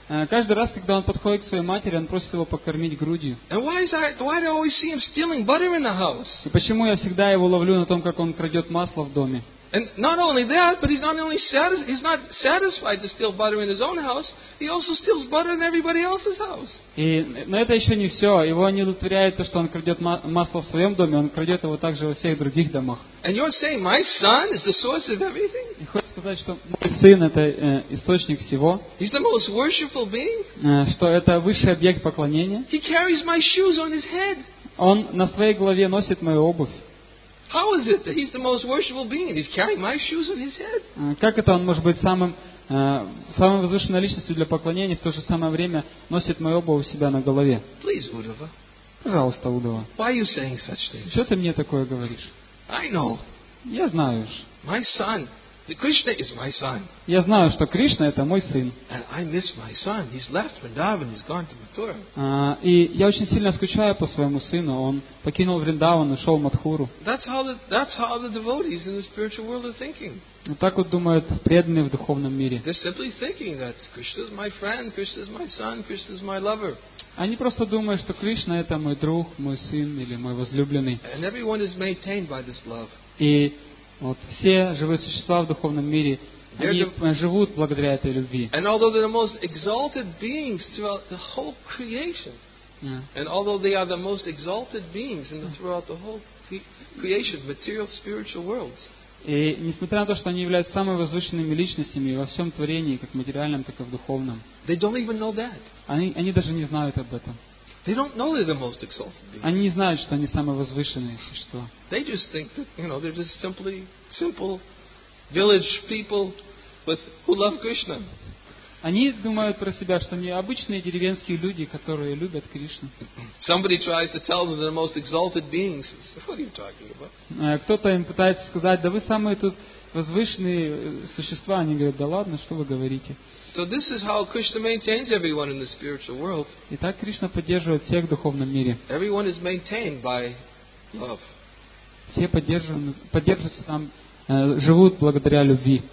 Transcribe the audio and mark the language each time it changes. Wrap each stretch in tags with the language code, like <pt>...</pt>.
<ru>Каждый раз, когда он подходит к своей матери, он просит его покормить грудью. И почему я всегда его ловлю на том, как он крадет масло в доме?</ru> <en>And not only that, but he's not satisfied to steal butter in his own house. He also steals butter in everybody else's house.</en> <ru>И но это еще не все. Его не удовлетворяет то, что он крадет масло в своем доме. Он крадет его также во всех других домах.</ru> <en>And you're saying my son is the source of everything?</en> <ru>И хочешь сказать, что мой сын это источник всего?</ru> <en>He's the most worshipful being.</en> <ru>Что это высший объект поклонения?</ru> <en>He carries my shoes on his head.</en> <ru>Он на своей голове носит мою обувь.</ru> <en>How is it that he's the most worshipful being and he's carrying my shoes on his head?</en> <ru>Как это он может быть самой возвышенной личностью для поклонения, в то же самое время носит мою обувь у себя на голове?</ru> <en>Please, Uddhava.</en> <ru>Пожалуйста, Уддхава.</ru> <en>Why are you saying such things?</en> <ru>Что ты мне такое говоришь?</ru> <en>I know.</en> <ru>Я знаю.</ru> <en>My son. Krishna is my son.</en> <ru>Я знаю, что Кришна это мой сын.</ru> <en>And I miss my son. He's left Vrindavan. He's gone to Mathura.</en> <ru>И я очень сильно скучаю по своему сыну. Он покинул Вриндаван, ушел в Матхуру.</ru> <en>That's how the devotees in the spiritual world are thinking.</en> <ru>Так вот думают преданные в духовном мире.</ru> <en>They're simply thinking that Krishna is my friend, Krishna is my son, Krishna is my lover.</en> <ru>Они просто думают, что Кришна это мой друг, мой сын или мой возлюбленный.</ru> <en>And everyone is maintained by this love.</en> <ru>И вот, все живые существа в духовном мире они живут благодаря этой любви.</ru> <en>And although they're the most exalted beings throughout the whole creation, and although they are the most exalted beings throughout the whole creation, material, spiritual worlds.</en> <ru>И несмотря на то, что они являются самыми возвышенными личностями во всем творении, как материальном, так и в духовном.</ru> <en>They don't even know that.</en> <ru>Они даже не знают об этом.</ru> <en>They don't know they're the most exalted beings.</en> <ru>Они не знают, что они самые возвышенные существа.</ru> <en>They just think that, you know, they're just simply simple village people with who love Krishna.</en> <ru>Они думают про себя, что они обычные деревенские люди, которые любят Кришну.</ru> <en>Somebody tries to tell them they're the most exalted beings. What are you talking about?</en> <ru>Кто-то им пытается сказать, да вы самые тут возвышенные существа. Они говорят, да ладно, что вы говорите.</ru> <en>So this is how Krishna maintains everyone in the spiritual world.</en> <ru>Итак, Кришна поддерживает всех в духовном мире.</ru> <en>Everyone is maintained by love.</en> <ru>Все поддерживаются там, живут благодаря любви.</ru>